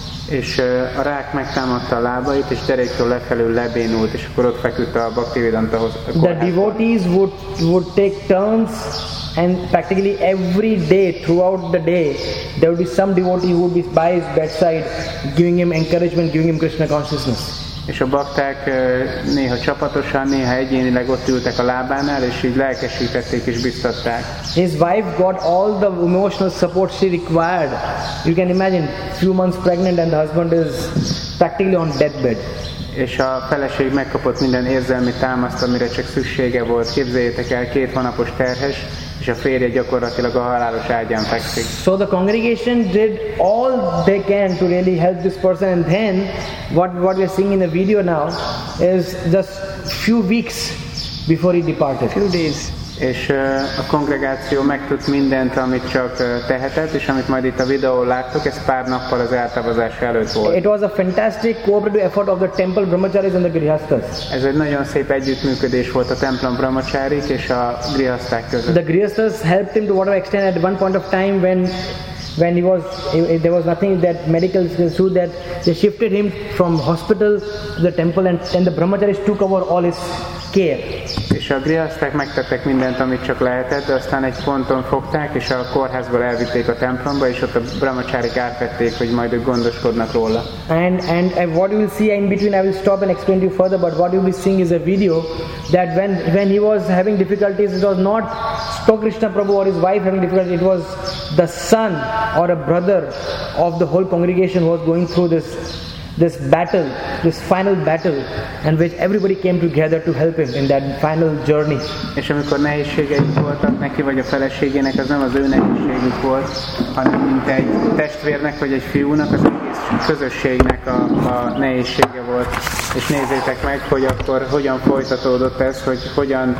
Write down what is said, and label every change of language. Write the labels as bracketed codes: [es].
[hu] És a rák megtámadta a lábait, és deréktől lefelé lebénult, és akkor ott feküdt a Bhaktivedanta Hospital. [en] The devotees would take turns. And practically every day, throughout the day, there would be some devotee who would be by his bedside, giving him encouragement, giving him Krishna consciousness. [hu] És a bakták néha csapatosan, néha egyénileg ott ültek a lábánál, és így lelkesítették és biztatták. [en] His wife got all the emotional support she required. You can imagine, few months pregnant and the husband is practically on deathbed. [hu] És a feleség megkapott minden érzelmi támaszt, amire csak szüksége volt. Képzeljétek el, két hónapos terhes, és a férje gyakorlatilag a halálos ágyán fekszik. [en] So the congregation did all they can to really help this person, and then what we are seeing in the video now is just few weeks before he departed. Few days. [hu] És a kongregáció megtudt mindent, amit csak tehetett, és amit majd itt a videó láttok, ez pár nappal az eltávozás előtt volt. [en] It was a fantastic cooperative effort of the temple brahmacharis and the grihasthas. [hu] Ez egy nagyon szép együttműködés volt a templom brahmacharik és a grihaszták között. [en] The grihasthas helped him to whatever extent at one point of time when he was, if there was nothing that medical skills could do, that they shifted him from hospital to the temple, and the brahmacharis took over all his care. [hu] És a grihaszták megtettek mindent, amit csak lehetett, de aztán egy ponton fogták, és a kórházból elvitték a templomba, és ott a brahmacharik átvették, hogy majd ők gondoskodnak róla. [en] And what you will see in between, I will stop and explain to you further, but what you will be seeing is a video that when he was having difficulties, it was not Sto Krishna Prabhu or his wife having difficulties, it was the son or a brother of the whole congregation who was going through this battle, this final battle, and which everybody came together to help him in that final journey. [hu] És amikor nehézségei voltak neki vagy a feleségének, az nem az ő nehézségük volt, hanem mint egy testvérnek vagy egy fiúnak, az egész közösségnek a nehézsége volt. És nézzétek meg, hogy akkor hogyan folytatódott ez, hogy hogyan